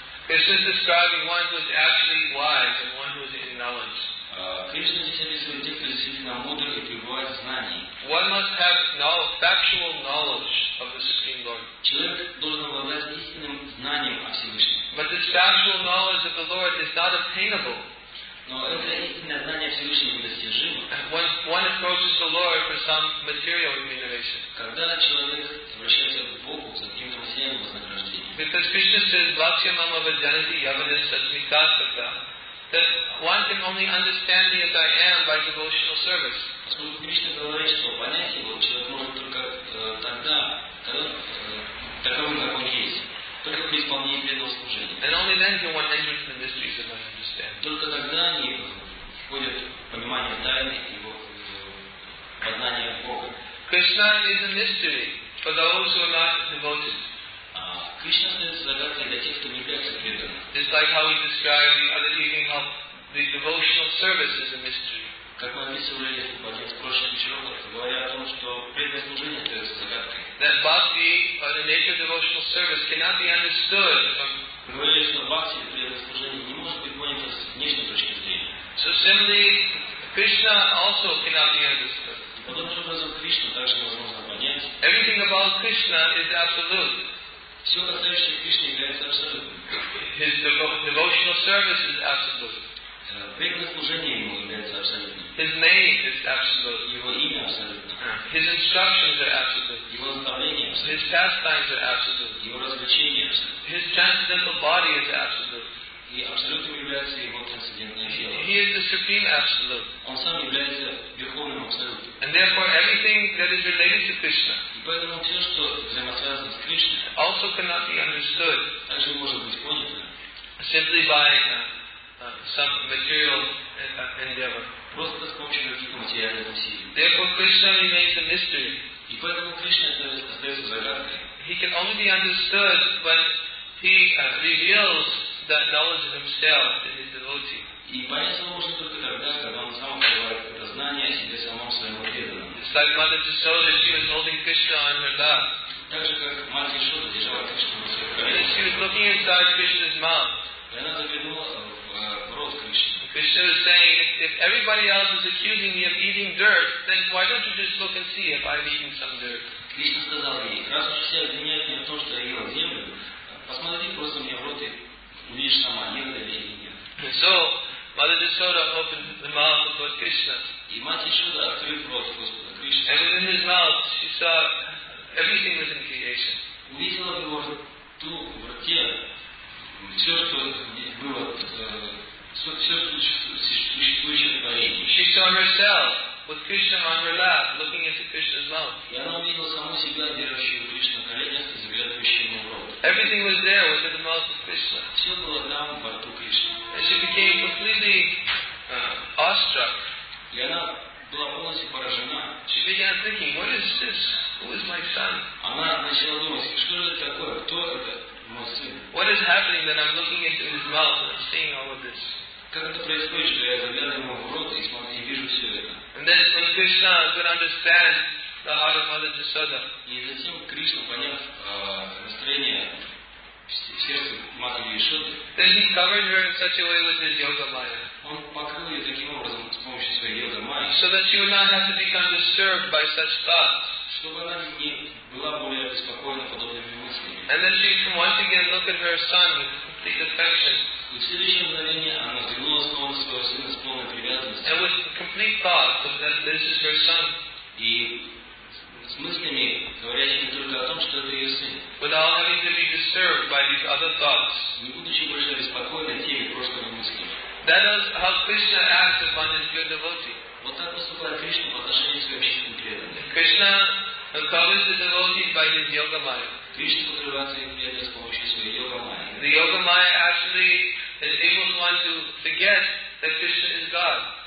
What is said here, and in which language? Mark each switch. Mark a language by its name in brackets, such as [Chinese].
[English] This is describing one who is actually wise and one who is in knowledge. [Russian] Кришна здесь описывает тех, кто действительно мудр и пребывает в знании. [English] One must have factual knowledge of the Supreme Lord. [Russian] Человек должен обладать истинным знанием о Всевышнем. [English] But this factual knowledge of the Lord is not obtainable. [Russian] Но это истинное знание Всевышнего недостижимо. [English] One approaches the Lord for some material remuneration. [Russian] Когда человек обращается к Богу за каким-то материальным вознаграждением. [English] Because Krishna says, [Sanskrit] "Vatsya mama vajanati yavana satmikasata," [English] that one can only understand me as I am by devotional service. [Russian] Поскольку Кришна говорит, что понять его человек может только тогда, таковым, как он есть. [English] And only then can one enter into the mysteries and understand. [Russian] Только тогда они входят в понимание тайны его познания Бога. [English] Krishna is a mystery for those who are not devoted. [Russian] Кришна остается загадкой для тех, кто не является преданным. [English] Just like how he described the other evening how the devotional service is a mystery. [Russian] Как мы описывали в один из прошлых вечеров, говоря о том, что преданное служение остается загадкой. [English] That bhakti, or the nature of devotional service, cannot be understood from. [Russian] Говорили, что бхакти, преданное служение, не может быть понято с внешней точки зрения. [English] So similarly, Krishna also cannot be understood. [Russian] Подобным образом Кришну также невозможно понять. [English] Everything about Krishna is absolute. [Russian] Все, касающееся Кришны, является абсолютным. [English] His devotional service is absolute. [Russian] Преданное служение ему является абсолютным. [English] His name is absolute. [Russian] Его имя абсолютно. [English] His instructions are absolute. [Russian] Его наставления абсолютно. [English] His pastimes are absolute. [Russian] Его развлечения абсолютно. [English] His transcendental body is absolute. [Russian] И абсолютным является его трансцендентное тело. [English] He is the supreme absolute. [Russian] Он сам является верховным абсолютом. [English] And therefore everything that is related to Krishna. [Russian] И поэтому все, что взаимосвязано с Кришной, [English] also cannot be understood. [Russian] Также может быть понято. [English] simply by some material endeavor. [Russian] Просто с помощью каких-то материальных усилий. [English] Therefore, Krishna remains a mystery. [Russian] И поэтому Кришна остается загадкой. [English] He can only be understood when he reveals that knowledge of himself to his devotee. [Russian] И поэтому можно только тогда, когда он сам открывает это знание о себе самом своему преданному. [English] It's like Mother Jashoda, she was holding Krishna on her lap. [Russian] Так же как мать Ишода держала Кришну на своих коленях. [English] And she was looking inside Krishna's mouth. [Russian] И она заглянула в рот Кришны. [English] Krishna was saying, if everybody else is accusing me of eating dirt, then why don't you just look and see if I'm eating some dirt? [Russian] Krishna сказал ей, раз уж все обвиняют меня в том, что я ел землю, посмотри просто мне в рот и увидишь сама, ел я или нет. [English] So, Mother Jashoda opened the mouth of Lord Krishna. [Russian] И мать Ишода открыл рот Господа Кришны. [English] And within his mouth, she saw everything within creation. [Russian] Увидела в его рту, в рте, все, что было [English] She saw herself with Krishna on her lap, looking into Krishna's mouth. Everything was there within the mouth of Krishna. And she became completely awestruck. She began thinking, what is this? Who is my son? What is happening that I'm looking into his mouth and seeing all of this? [Russian] Как это происходит, что я заглядываю ему в рот и смотрю, и вижу все это. [English] And then when Krishna could understand the heart of Mother Jashoda. [Russian] И затем Кришна поняв настроение сердца матери Ишоды. [English] Then he covered her in such a way with his yoga maya. [Russian] Он покрыл ее таким образом с помощью своей йога майи. [English] So that she would not have to become disturbed by such thoughts. [Russian] Чтобы она не была более обеспокоена подобными мыслями. [English] And then she can once again look at her son with complete affection. [Russian] И в следующее мгновение она взглянула снова на своего сына с полной привязанностью. [English] And with complete thought of that this is her son. [Russian] И с мыслями, говорящими только о том, что это ее сын. [English] Without having to be disturbed by these other thoughts. [Russian] Не будучи больше беспокоена теми прошлыми мыслями. [English] That is how Krishna acts upon his pure devotee. [Russian] Вот так поступает Кришна по отношению к своим чистым преданным. [English] Krishna covers the devotee by his yoga maya. The yoga maya actually is able to want to forget that Krishna is God.